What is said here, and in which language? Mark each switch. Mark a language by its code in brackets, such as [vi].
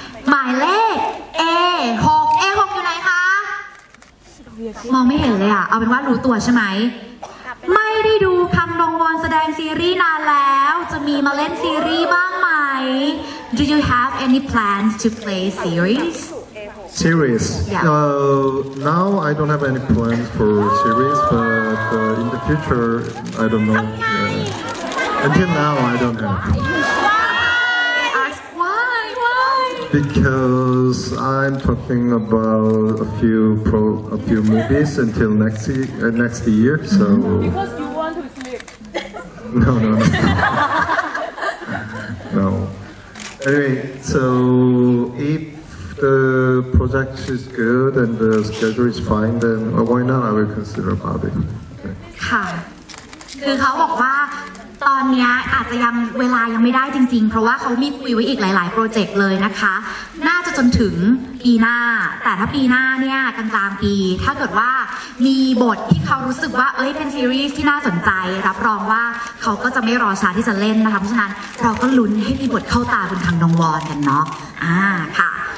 [th] หมายเลข A 6 A 6อยู่ไหนคะมองไม่เห็นเลยอ่ะเอาเป็นว่ารู้ตัวใช่ไหมไม่ได้ดูคังดงวอนแสดงซีรีส์นานแล้วจะมีมาเล่นซีรีส์บ้างไหม [en] Do you have any plans to play series Series? Yeah. Now I don't have any plans for series, but in the future, I don't know. Until now, I don't have. Why? Because I'm talking about a few movies until next year, so... Because you want to sleep. No. Anyway, so if... The project is good and the schedule is fine. Then why not? I will consider about it. [th] ค่ะคือเขาบอกว่าตอนนี้อาจจะยังเวลายังไม่ได้จริงๆเพราะว่าเขามีคุยไว้อีกหลายๆโปรเจกต์เลยนะคะน่าจะจนถึงปีหน้าแต่ถ้าปีหน้าเนี่ยกลางๆปีถ้าเกิดว่ามีบทที่เขารู้สึกว่าเอ้ยเป็นซีรีส์ที่น่าสนใจรับรองว่าเขาก็จะไม่รอช้าที่จะเล่นนะคะเพราะฉะนั้นเราก็ลุ้นให้มีบทเข้าตาคุณทางดงวอนกันเนาะค่ะ